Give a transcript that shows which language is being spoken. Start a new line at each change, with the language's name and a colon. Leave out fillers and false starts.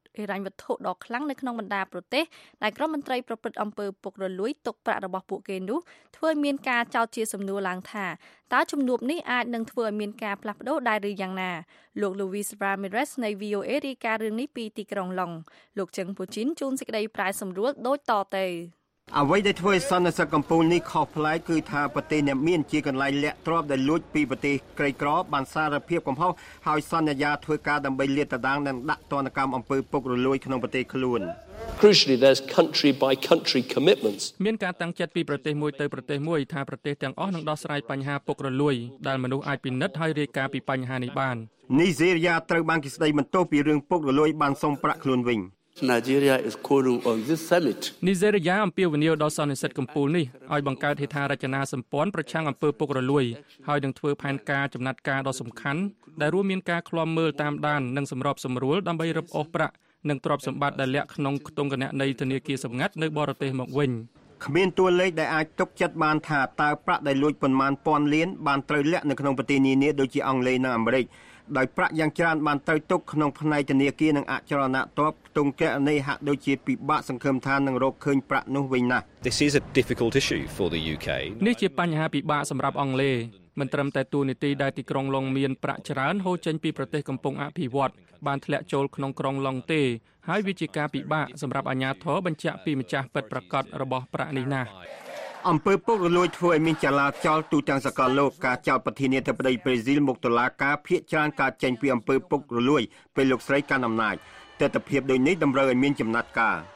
Khmer: រញ្ញវត្ថុដ៏ខ្លាំងនៅក្នុងបណ្ដាប្រទេសដែលក្រុមមន្ត្រីប្រព្រឹត្តអំពើពុករលួយទុកប្រាក់របស់ពួកគេនោះធ្វើឲ្យមានការចោទជាសំណួរឡើងថាតើជំនួបនេះអាចនឹងធ្វើឲ្យមានការផ្លាស់ប្ដូរដែរឬយ៉ាងណាលោក Luis Ramirez នៃ VOA រាយការណ៍រឿងនេះពីទីក្រុងឡុងលោកចឹងពូជីនជូនសេចក្តីប្រែសម្រួលដូចតទៅ អ្វីដែលធ្វើឲ្យសន្តិសុខកម្ពុជានេះខុសប្លែកគឺថាប្រទេសអ្នកមានជាកន្លែងលាក់ទ្រព្យដែលលួចពីប្រទេសក្រីក្របានសារភាពកំហុសហើយសន្យាធ្វើការដើម្បីលាតត្រដាងនិងដាក់ទណ្ឌកម្មអំពើពុករលួយក្នុងប្រទេសខ្លួន
English: Crucially, there's country by country commitments.
Khmer: មានការតាំងចិត្តពីប្រទេសមួយទៅប្រទេសមួយថាប្រទេសទាំងអស់នឹងដោះស្រាយបញ្ហាពុករលួយដែលមនុស្សអាចពិនិត្យហើយរាយការណ៍ពីបញ្ហានេះបាន Nigeria ត្រូវបានគេស្ដីបន្ទោសពីរឿងពុករលួយបានសុំប្រាក់ខ្លួនវិញ
English: Nigeria is calling on this summit.
Khmer: Nigeria អំពាវនាវដល់សន្និសីទកំពូលនេះឲ្យបង្កើតហេដ្ឋារចនាសម្ព័ន្ធប្រឆាំងអំពើពុករលួយហើយនឹងធ្វើផែនការចំណាត់ការដ៏សំខាន់ដែលរួមមានការឃ្លាំមើលតាមដាននិងសម្របសម្រួលដើម្បីរឹបអូសប្រាក់នឹងទ្រព្យសម្បត្តិដែលលាក់ក្នុងគណនីធនាគារសម្ងាត់នៅបរទេសមកវិញ គ្មានតួលេខដែលអាចទុកចិត្តបានថាតើប្រាក់ដែលលួចប៉ុន្មានពាន់លានបានត្រូវលាក់នៅក្នុងប្រទេសនានាដូចជាអង់គ្លេសនិងអាមេរិកដោយប្រាក់យ៉ាងច្រើនបានត្រូវទុកក្នុងផ្នែកធនាគារនិងអចលនទ្រព្យផ្ទុំកណនីហាក់ដូចជាពិបាកសង្ឃឹមថានឹងរកឃើញប្រាក់នោះវិញណាស់
English: This is a difficult issue for the UK.
Khmer: នេះជាបញ្ហាពិបាកសម្រាប់អង់គ្លេសមិនត្រឹមតែទួលនីតិដែលទីក្រុងឡុងមានប្រាក់ច្រើនហូរចេញពីប្រទេសកំពុងអភិវឌ្ឍបានធ្លាក់ចូលក្នុងក្រុងឡុងទេហើយវាជាការពិបាកសម្រាប់អាជ្ញាធរបញ្ជាក់ពីម្ចាស់ពិតប្រាកដរបស់ប្រាក់នេះណាស់ អំពើពុករលួយធ្វើឲ្យមានចលាចលទូទាំងសកលលោកការចោទប្រធានាធិបតីប្រេស៊ីលមុខតុលាការភាកច្រានការចេញពីអំពើពុករលួយពេលលោកស្រីកាន់អំណាចទស្សនវិជ្ជាដូចនេះតម្រូវឲ្យមានចំណាត់ការ